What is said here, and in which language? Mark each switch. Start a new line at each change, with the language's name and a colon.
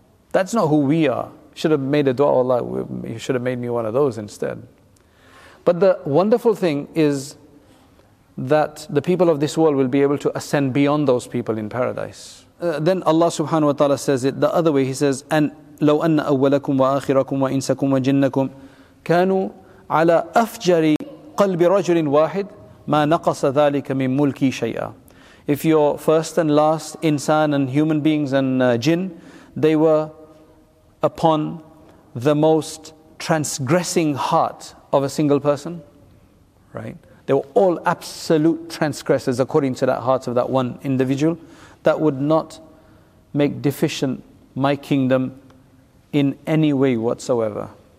English: That's not who we are. Should have made a dua, Allah, you should have made me one of those instead. But the wonderful thing is that the people of this world will be able to ascend beyond those people in paradise. Then Allah subhanahu wa ta'ala says it the other way. He says, "And
Arabic: لو أن أولكم وآخركم وإنسكم وجنكم كانوا على أفجر قلب رجل واحد ما نقص ذلك من ملكي شيئا."
English: If your first and last insan and human beings and jinn, they were upon the most transgressing heart of a single person, right? They were all absolute transgressors according to that heart of that one individual, that would not make deficient my kingdom in any way whatsoever.